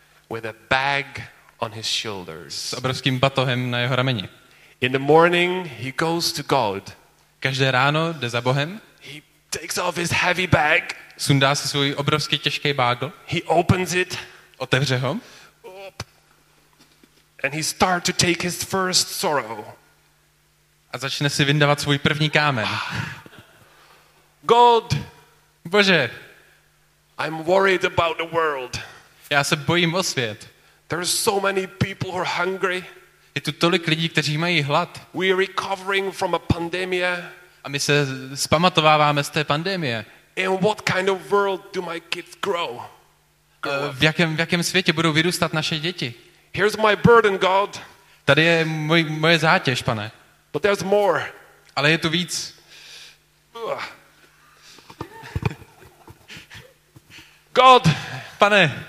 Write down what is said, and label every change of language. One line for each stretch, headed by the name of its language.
English: with a bag on his shoulders.
Czech: S obrovským batohem na jeho rameni.
English: In the morning he goes to God.
Czech: Každé ráno jde za Bohem.
English: He takes off his heavy bag.
Czech: Sundá si svůj obrovský těžký bágl.
English: He opens it.
Czech: Otevře ho.
English: And he starts to take his first sorrow.
Czech: A začne si vyndávat svůj první kámen.
English: God.
Czech: Bože.
English: I'm worried about the world.
Czech: Já se bojím o svět.
English: There are so many people who are hungry.
Czech: Je tu tolik lidí, kteří mají hlad.
English: We are recovering from a pandemia.
Czech: A my se zpamatováváme z té pandemie.
English: In what kind of world do my kids grow?
Czech: V jakém světě budou vyrůstat naše děti?
English: Here's my burden, God.
Czech: Tady je moje zátěž, pane.
English: But there's more.
Czech: Ale je tu víc.
English: God,
Czech: pane,